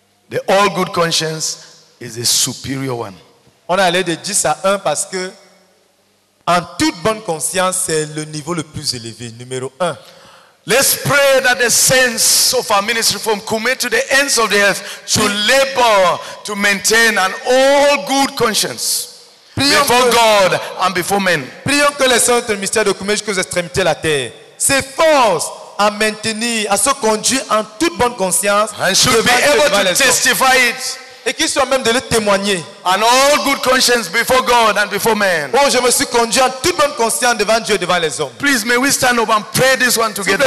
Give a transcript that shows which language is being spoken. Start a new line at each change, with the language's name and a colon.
English: The all good conscience is a superior one.
French: On allait de 10 à 1 parce que en toute bonne conscience, c'est le niveau le plus élevé, numéro 1.
English: Let's pray that the saints of our ministry from Kume to the ends of the earth should labor to maintain an all good conscience prions before que, God and before men.
French: Prions que les saints du ministère de Kume jusqu'aux extrémités de la terre s'efforcent à maintenir, à se conduire en toute bonne conscience
English: and should be able to testify it.
French: Et qu'ils soient même de le témoigner.
English: An all good conscience before God and before men.
French: Oh, je me suis conduit en toute bonne conscience devant Dieu et devant les hommes.
English: Please, may we stand up and pray this one together.